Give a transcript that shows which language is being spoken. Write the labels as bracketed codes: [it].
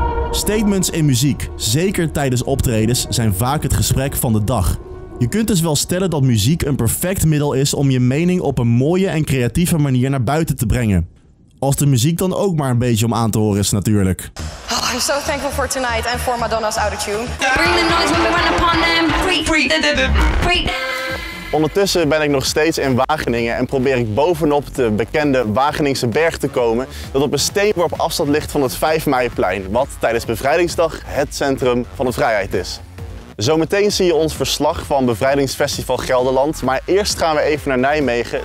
[nl] Statements in muziek, zeker tijdens optredens, zijn vaak het gesprek van de dag. Je kunt dus wel stellen dat muziek een perfect middel is om je mening op een mooie en creatieve manier naar buiten te brengen. Als de muziek dan ook maar een beetje om aan te horen is natuurlijk. [en] Oh, I'm so thankful for tonight and for Madonna's autotune. Bring the noise when we run upon them. [nl] Ondertussen ben ik nog steeds in Wageningen en probeer ik bovenop de bekende Wageningse berg te komen dat op een steenworp afstand ligt van het 5 Meiplein, wat tijdens Bevrijdingsdag het centrum van de vrijheid is. Zometeen zie je ons verslag van Bevrijdingsfestival Gelderland, maar eerst gaan we even naar Nijmegen.